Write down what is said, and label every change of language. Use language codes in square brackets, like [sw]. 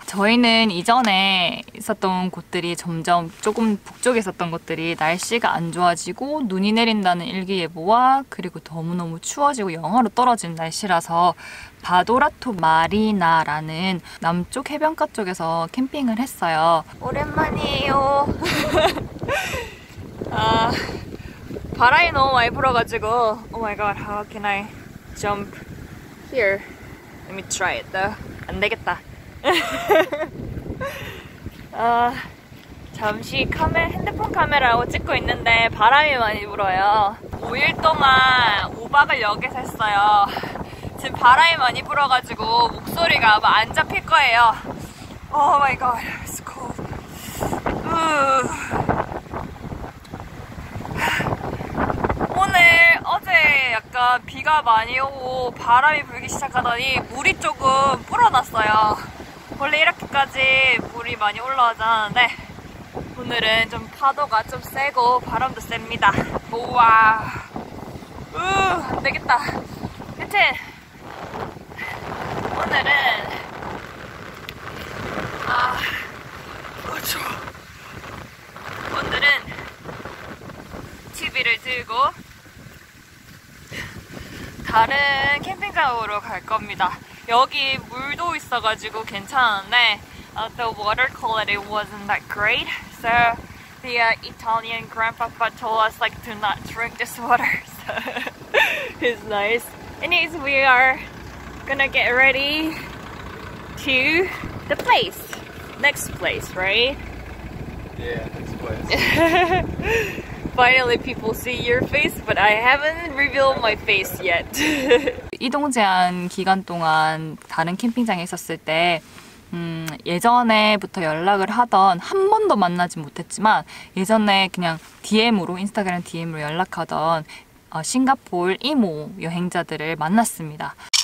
[ko] 저희는 이전에 있었던 곳들이 점점 조금 북쪽에 있었던 곳들이 날씨가 안 좋아지고 눈이 내린다는 일기예보와 그리고 너무너무 추워지고 영하로 떨어진 날씨라서 바도라토 마리나라는 남쪽 해변가 쪽에서 캠핑을 했어요. 오랜만이에요. 아, 바람이 너무 많이 불어가지고 [en] Oh my god, how can I jump here? Let me try it though. [ko] 안 되겠다. 아, 잠시 핸드폰 카메라로 찍고 있는데 바람이 많이 불어요. 5일 동안 5박을 여기서 했어요. 지금 바람이 많이 불어가지고 목소리가 아마 안 잡힐 거예요. [en] Oh my god, it's cold. [ko] 오늘 어제 약간 비가 많이 오고 바람이 불기 시작하더니 물이 조금 불어났어요. 원래 이렇게까지 물이 많이 올라오지 않았는데 오늘은 좀 파도가 좀 세고 바람도 셉니다. 우와. 안 되겠다. 하여튼 오늘은 오늘은 TV를 들고 다른 캠핑카로 갈 겁니다. 여기 물도 있어가지고 괜찮은데 [en] the water quality wasn't that great. So the Italian grandpapa told us like do not drink this water. It's nice. Anyways, we are gonna get ready to the place. Next place, right? Yeah, next place. Finally, people see your face, but I haven't revealed my face yet. [ko] 이동 제한 기간 동안 다른 캠핑장에 있었을 때 예전에부터 연락을 하던 한 번도 만나지 못했지만 예전에 그냥 DM으로 인스타그램 DM으로 연락하던 싱가포르 이모 여행자들을 만났습니다.